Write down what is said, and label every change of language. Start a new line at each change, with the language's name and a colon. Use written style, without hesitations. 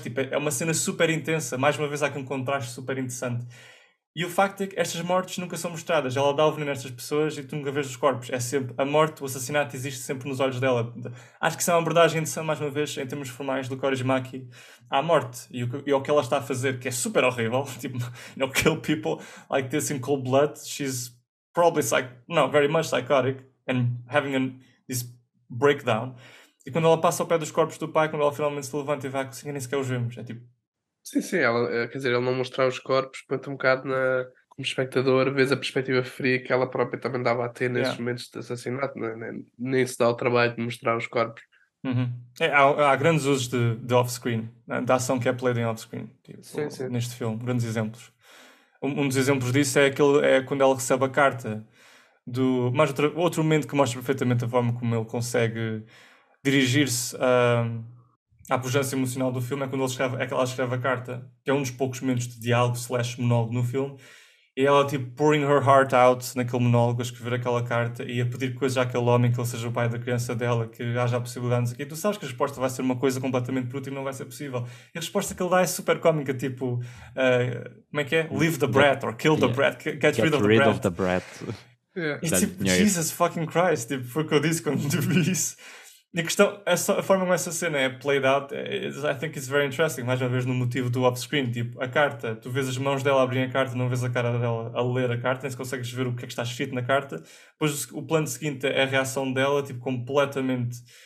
Portuguese: Tipo, é uma cena super intensa. Mais uma vez, há aqui um contraste super interessante. E o facto é que estas mortes nunca são mostradas. Ela dá o veneno a estas pessoas e tu nunca vês os corpos. É sempre a morte, o assassinato existe sempre nos olhos dela. Acho que isso é uma abordagem interessante, mais uma vez, em termos formais, do Corey Maki à morte. E o que ela está a fazer, que é super horrível.
English: Tipo, no kill people like this in cold blood. She's probably very much psychotic and having this breakdown.
Portuguese: E quando ela passa ao pé dos corpos do pai, quando ela finalmente se levanta e vai conseguir, nem sequer os vemos. É tipo... Sim, sim. Ela, quer dizer, ela não mostrar os corpos, põe-te um bocado na, como espectador, vês a perspectiva fria que ela própria também dava a ter nesses momentos de assassinato. Nem se dá o trabalho de mostrar os corpos. Uhum. Há grandes usos de off-screen, da ação que é played em off-screen. Tipo, sim, sim. Neste filme, grandes exemplos. Um dos exemplos disso é quando ela recebe a carta. Mais outro momento que mostra perfeitamente a forma como ele consegue dirigir-se à pujança emocional do filme, é que ela escreve a carta, que é um dos poucos momentos de diálogo / monólogo no filme, e ela, tipo,
English: pouring her heart out
Portuguese: naquele monólogo, a escrever aquela carta e a pedir coisas àquele homem, que ele seja o pai da criança dela, que haja a possibilidade aqui. Tu sabes que a resposta vai ser uma coisa completamente brutal e não vai ser possível. E a resposta que ele dá é super cómica, tipo, como é que é?
English: Leave the bread, or kill the bread, get rid of the bread. Get rid of the bread.
Portuguese: E tipo, Jesus fucking Christ, tipo, foi o que eu disse quando tu vi isso. E a questão, a forma como essa cena é played out,
English: I think it's very interesting,
Portuguese: mais uma vez no motivo do off-screen, tipo, a carta, tu vês as mãos dela abrir a carta, não vês a cara dela a ler a carta, nem se consegues ver o que é que está escrito na carta, depois o plano seguinte é a reação dela, tipo, completamente